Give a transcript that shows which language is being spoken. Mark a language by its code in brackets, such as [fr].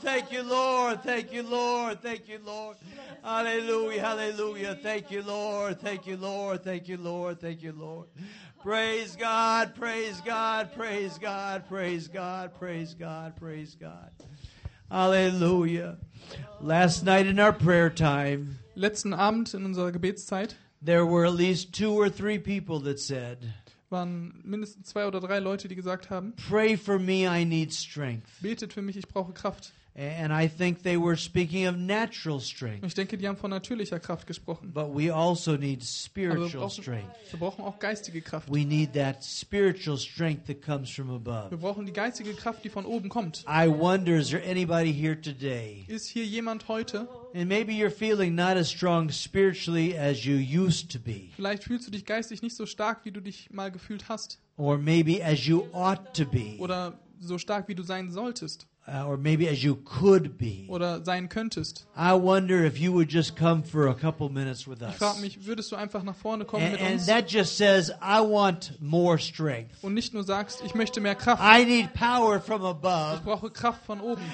[en] Thank you, Lord. Thank you, Lord. Thank you, Lord. Hallelujah, hallelujah. Thank you, Lord. Thank you, Lord. Thank you, Lord. Thank you, Lord. Praise God. Praise God. Praise God. Praise God. Praise God. Praise God. Hallelujah. Last night in our prayer time. [de] Letzten Abend in unserer Gebetszeit. [en] There were at least two or three people that said, [de] waren mindestens zwei oder drei Leute, die gesagt haben, [en] pray for me, I need strength. [de] Betet für mich, ich brauche Kraft. [en] And I think they were speaking of natural strength. [de] Ich denke, die haben von natürlicher Kraft gesprochen. [en] But we also need spiritual strength. [de] Wir brauchen auch geistige Kraft. [en] We need that spiritual strength that comes from above. [de] Wir brauchen die geistige Kraft, die von oben kommt. [en] I wonder, is there anybody here today? [de] Ist hier jemand heute? [en] And maybe you're feeling not as strong spiritually as you used to be. [de] Vielleicht fühlst du dich geistig nicht so stark, wie du dich mal gefühlt hast. [en] Or maybe as you ought to be. [de] Oder so stark, wie du sein solltest. [en] Or maybe as you could be. [de] Oder sein könntest. [en] I wonder if you would just come for a couple minutes with us. [de] Ich frage mich, würdest du einfach nach vorne kommen mit uns? [en] And that just says, I want more strength. [de] Und nicht nur sagst, ich möchte mehr Kraft. [en] I need power from above. [de] Ich brauche Kraft von oben.